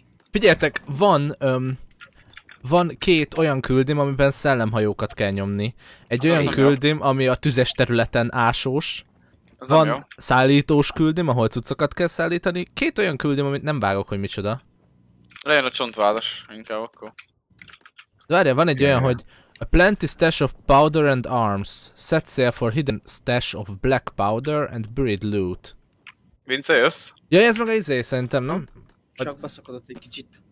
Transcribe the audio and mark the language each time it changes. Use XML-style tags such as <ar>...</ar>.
<hu>Figyeljetek, van... van két olyan küldim, amiben szellemhajókat kell nyomni. Egy olyan küldim, ami a tüzes területen ásós. Az van szállítós küldim, ahol cuccokat kell szállítani. Két olyan küldim, amit nem vágok, hogy micsoda. Legyen a csontvádas, inkább akkor. Várjál, van egy olyan, hogy...</hu> <en>A plenty stash of powder and arms. Set sail for hidden stash of black powder and buried loot.</en> <hu>Vince, jössz? Jaj, ez maga izé, szerintem, nem? Csak beszakadott egy kicsit.</hu>